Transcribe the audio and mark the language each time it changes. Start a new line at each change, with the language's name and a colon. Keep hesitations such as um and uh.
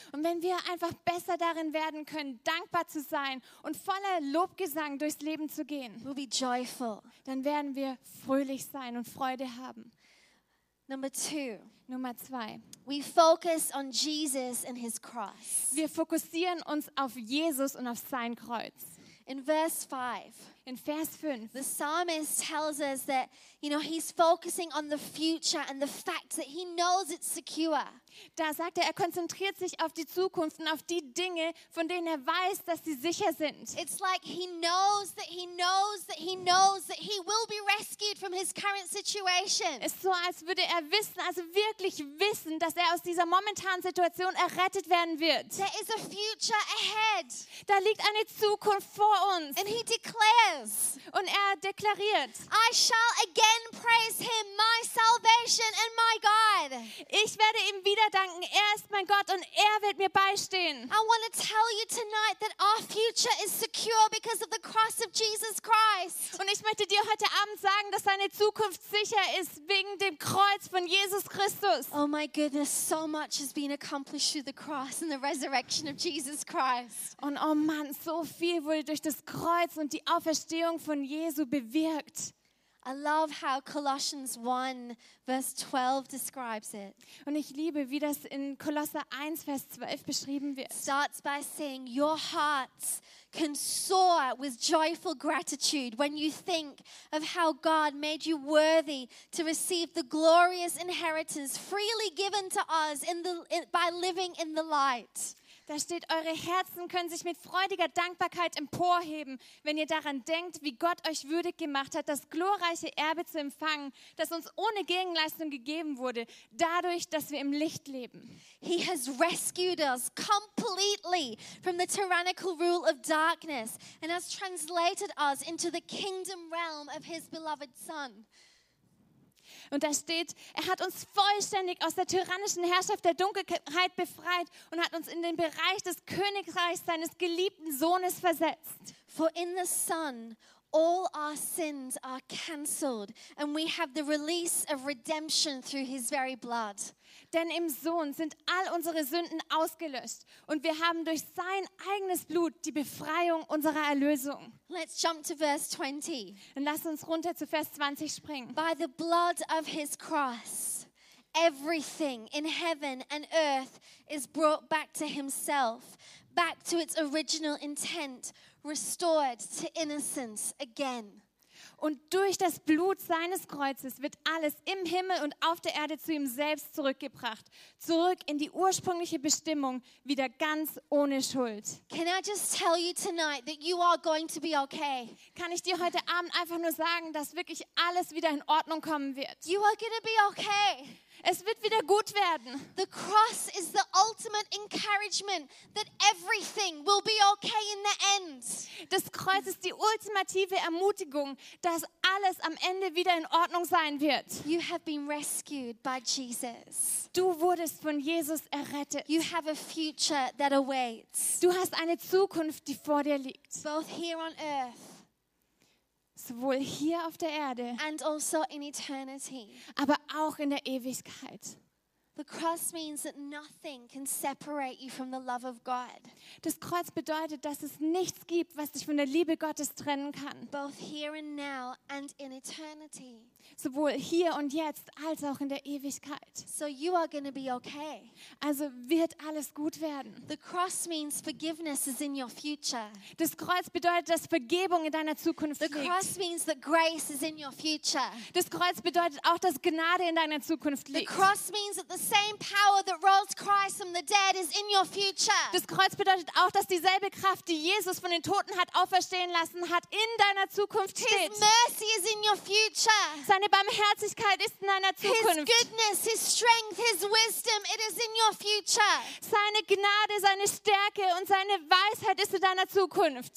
German: Und wenn wir einfach besser darin werden können, dankbar zu sein und voller Lobgesang durchs Leben zu gehen,
English: we'll be joyful.
German: dann werden wir fröhlich sein und Freude haben.
English: Number two,
German: Nummer zwei.
English: we focus on Jesus and his cross.
German: Wir fokussieren uns auf Jesus und auf sein Kreuz.
English: In verse five,
German: In Vers 5.
English: the psalmist tells us that, you know, he's focusing on the future and the fact that he knows it's secure.
German: Da sagt er, er konzentriert sich auf die Zukunft und auf die Dinge, von denen er weiß, dass sie sicher sind.
English: It's like he knows that he knows that he knows that he will be rescued from his current situation.
German: Es ist so, als würde er wissen, also wirklich wissen, dass er aus dieser momentanen Situation errettet werden wird.
English: There is a future ahead.
German: Da liegt eine Zukunft vor uns.
English: And he declares,
German: Und er deklariert,
English: I shall again praise him, my salvation and my God.
German: ich werde ihm wieder danken. Er ist mein Gott und er wird mir beistehen.
English: I want to tell you tonight that our future is secure because of the cross of Jesus Christ.
German: Und ich möchte dir heute Abend sagen, dass deine Zukunft sicher ist wegen dem Kreuz von Jesus Christus.
English: Oh my goodness, so much has been accomplished through the cross and the resurrection of Jesus Christ.
German: Und oh Mann, so viel wurde durch das Kreuz und die Auferstehung von Jesu bewirkt.
English: I love how Colossians 1, verse 12 describes it.
German: Und ich liebe, wie das in Kolosser 1, Vers 12 beschrieben wird.
English: starts by saying, Your hearts can soar with joyful gratitude when you think of how God made you worthy to receive the glorious inheritance freely given to us in the, in- by living in the light.
German: Da steht, eure Herzen können sich mit freudiger Dankbarkeit emporheben, wenn ihr daran denkt, wie Gott euch würdig gemacht hat, das glorreiche Erbe zu empfangen, das uns ohne Gegenleistung gegeben wurde, dadurch, dass wir im Licht leben.
English: He has rescued us completely from the tyrannical rule of darkness and has translated us into the kingdom realm of His beloved Son.
German: Und da steht, er hat uns vollständig aus der tyrannischen Herrschaft der Dunkelheit befreit und hat uns in den Bereich des Königreichs seines geliebten Sohnes versetzt.
English: For in the Son, all our sins are cancelled, and we have the release of redemption through His very blood.
German: Denn im Sohn sind all unsere Sünden ausgelöscht und wir haben durch sein eigenes Blut die Befreiung unserer Erlösung.
English: Let's jump to verse 20.
German: Und lass uns runter zu Vers 20 springen.
English: By the blood of his cross, everything in heaven and earth is brought back to himself, back to its original intent, restored to innocence again.
German: Und durch das Blut seines Kreuzes wird alles im Himmel und auf der Erde zu ihm selbst zurückgebracht, zurück in die ursprüngliche Bestimmung, wieder ganz ohne Schuld.
English: Can I just tell you tonight that you are going to be okay?
German: Kann ich dir heute Abend einfach nur sagen, dass wirklich alles wieder in Ordnung kommen wird.
English: You are going to be okay.
German: Es wird wieder gut werden.
English: The cross is the ultimate encouragement that everything will be okay in the end.
German: Das Kreuz ist die ultimative Ermutigung, dass alles am Ende wieder in Ordnung sein wird.
English: You have been rescued by Jesus.
German: Du wurdest von Jesus errettet.
English: You have a future that awaits,
German: Du hast eine Zukunft, die vor dir liegt,
English: both here on earth
German: sowohl hier auf der Erde,
English: and also in eternity.
German: aber auch in der Ewigkeit.
English: The cross means that nothing can separate you from the love of God,
German: Das Kreuz bedeutet, dass es nichts gibt, was dich von der Liebe Gottes trennen kann,
English: both here and now and in eternity.
German: sowohl hier und jetzt als auch in der Ewigkeit.
English: So you are going to be okay.
German: Also wird alles gut werden.
English: The cross means forgiveness is in your future.
German: Das Kreuz bedeutet, dass Vergebung in deiner Zukunft
English: The
German: liegt.
English: cross means that grace is in your future.
German: Das Kreuz bedeutet auch, dass Gnade in deiner Zukunft
English: The
German: liegt.
English: cross means that the same power that rose Christ from the dead is in your future.
German: Das Kreuz bedeutet auch, dass dieselbe Kraft, die Jesus von den Toten hat auferstehen lassen hat, in deiner Zukunft
English: His
German: steht.
English: mercy is in your future.
German: Seine Barmherzigkeit ist in deiner
English: His
German: Zukunft.
English: goodness, His strength, His wisdom, it is in your future.
German: Seine Gnade, seine Stärke und seine Weisheit ist in deiner Zukunft.